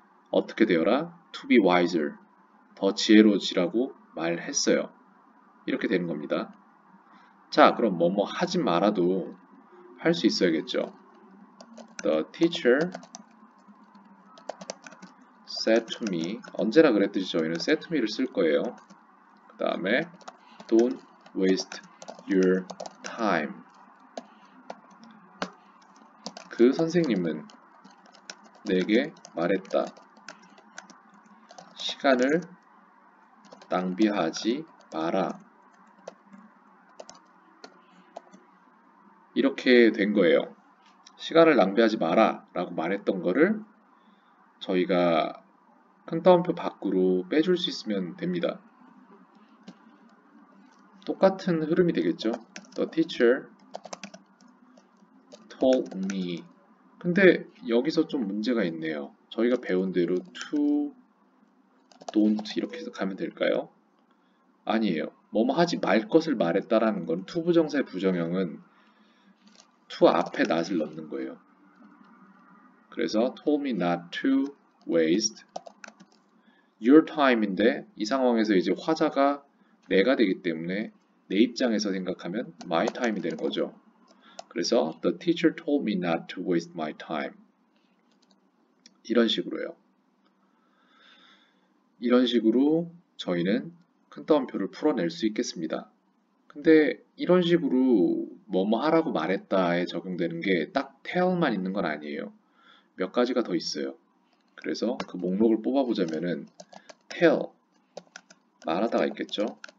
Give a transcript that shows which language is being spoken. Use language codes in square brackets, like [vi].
[ko] 어떻게 되어라? [en] to be wiser. [ko] 더 지혜로워지라고. 말했어요. 이렇게 되는 겁니다. 자, 그럼 뭐뭐 하지 말아도 할수 있어야겠죠. [en] The teacher said to me. [ko] 언제나 그랬듯이 저희는 said to me를 쓸 거예요. 그 다음에 [en] don't waste your time. [ko] 그 선생님은 내게 말했다. 시간을 낭비하지 마라. 이렇게 된 거예요. 시간을 낭비하지 마라 라고 말했던 거를 저희가 큰따옴표 밖으로 빼줄 수 있으면 됩니다. 똑같은 흐름이 되겠죠? [en] The teacher told me. [ko] 근데 여기서 좀 문제가 있네요. 저희가 배운 대로 to, don't 이렇게 해서 가면 될까요? 아니에요. 뭐뭐 하지 말 것을 말했다라는 건 to 부정사의 부정형은 to 앞에 not을 넣는 거예요. 그래서 [en] told me not to waste your time [ko] 인데 이 상황에서 이제 화자가 내가 되기 때문에 내 입장에서 생각하면 my time이 되는 거죠. [en] 그래서 the teacher told me not to waste my time. [ko] 이런 식으로요. 이런 식으로 저희는 큰따옴표를 풀어낼 수 있겠습니다. 근데 이런 식으로 뭐뭐 하라고 말했다에 적용되는 게딱 tell만 있는 건 아니에요. 몇 가지가 더 있어요. 그래서 그 목록을 뽑아보자면은 tell 말하다가 있겠죠.